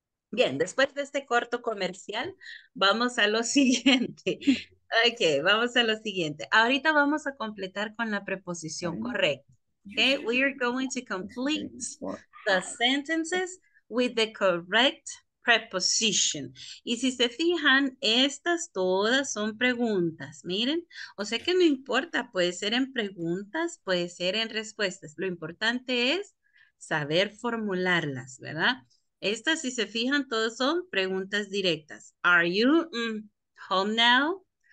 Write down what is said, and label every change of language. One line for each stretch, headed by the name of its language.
Spanish: Bien, después de este corto comercial, vamos a lo siguiente. Ok, vamos a lo siguiente. Ahorita vamos a completar con la preposición correcta.
English: Okay, we are going to complete the sentences with the correct preposition.
Spanish: Y si se fijan, estas todas son preguntas, miren. O sea que no importa, puede ser en preguntas, puede ser en respuestas. Lo importante es saber formularlas, ¿verdad? Estas, si se fijan, todas son preguntas directas. Are you home now?